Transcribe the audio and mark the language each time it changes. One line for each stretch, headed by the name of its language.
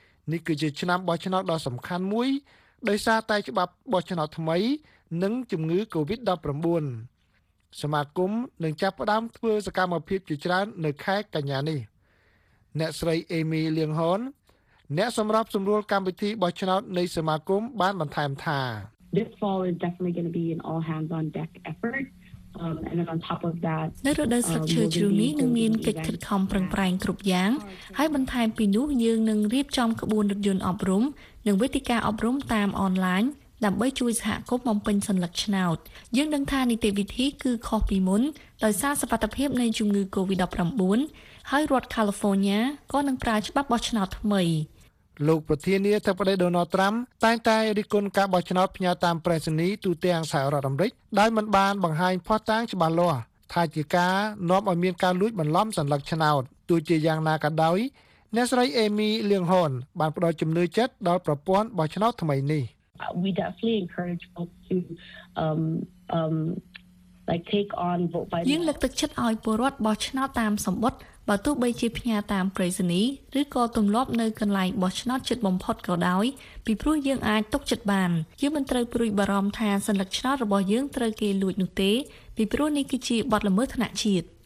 Khmer: នេះគឺជាឆ្នាំបោះឆ្នោតដ៏សំខាន់មួយដោយសារតែច្បាប់បោះឆ្នោតថ្មីនិងជំងឺ COVID-19 សមាគមនឹងចាប់ផ្ដើមធ្វើសកម្មភាពជាច្រើននៅខែកញ្ញានេះអ្នកស្រីអេមីលៀងហនអ្នកសម្របសម្រួលកម្មវិធីបោះឆ្នោតនៃសមាគមបានបន្ថែមថា
English: This fall is definitely going to be an all hands on deck effort and then on top of that
Khmer: នៅរដូវស្លឹកឈើជ្រុះនេះនឹងមានកិច្ចខិតខំប្រឹងប្រែងគ្រប់យ៉ាងហើយបន្ថែមពីនោះយើងនឹងរៀបចំក្បួនរថយន្តអប់រំនឹងវេទិកាអប់រំតាមអនឡាញដើម្បីជួយសហគមន៍បំពេញសញ្ញាឆ្នោតយើងដឹងថានីតិវិធីគឺខុសពីមុនដោយសារសុវត្ថិភាពនៃជំងឺ COVID-19 ហើយរដ្ឋ California ក៏នឹងប្រើច្បាប់បោះឆ្នោតថ្មី លោកប្រធានាធិបតី Donald Trump តែងតែរិះគន់ការបោះឆ្នោតផ្ញើតាមប្រេសនីទូទាំងសហរដ្ឋអាមេរិកដោយមិនបានបង្ហាញភស្តុតាងច្បាស់លាស់ថាជាការនាំឲ្យមានការលួចបន្លំសញ្ញាឆ្នោតទោះជាយ៉ាងណាក៏ដោយអ្នកស្រីអេមីលៀងហនបានផ្ដល់ជំនឿចិត្តដល់ប្រព័ន្ធបោះឆ្នោតថ្មីនេះ
English: We definitely encourage folks to take on vote by
Khmer: យើងលើកទឹកចិត្តឲ្យពលរដ្ឋបោះឆ្នោតតាមសម្បត្តិបើទោះបីជាផ្ញើតាមប្រេសនីឬក៏ទំលាប់នៅកន្លែងបោះឆ្នោតជិតបំផុតក៏ដោយពីព្រោះយើងអាចຕົកចិត្តបានយើងមិនត្រូវព្រួយបារម្ភថាសញ្ញាឆ្នោតរបស់យើងត្រូវគេលួចនោះទេពីព្រោះនេះគឺជាបទល្មើសថ្នាក់ជាតិ